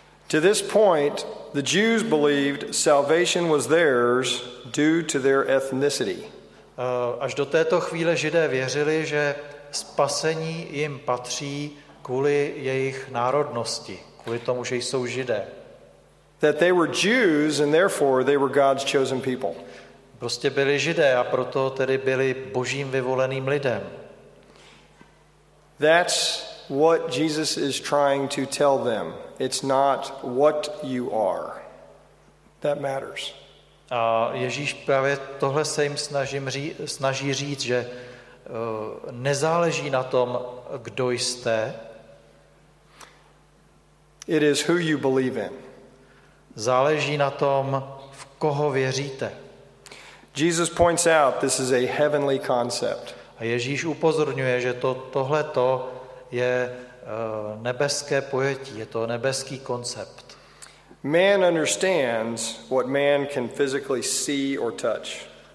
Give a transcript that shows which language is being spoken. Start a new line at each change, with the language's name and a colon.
English: To this point, the Jews believed salvation was theirs due to their ethnicity.
Czech: Až do této chvíle Židé věřili, že spasení jim patří kvůli jejich národnosti, kvůli tomu, že jsou Židé.
English: That they were Jews and therefore they were God's chosen people.
Czech: Prostě byli Židé a proto tedy byli Božím vyvoleným lidem.
English: That's what Jesus is trying to tell them. It's not what you are that matters.
Czech: A Ježíš právě tohle se jim snaží říct, že nezáleží na tom, kdo jste.
English: It is who you believe in.
Czech: Záleží na tom, v koho věříte.
English: Jesus points out this is a heavenly concept.
Czech: A Ježíš upozorňuje, že tohleto je nebeské pojetí, je to nebeský koncept.
English: Man understands what man can physically see or touch.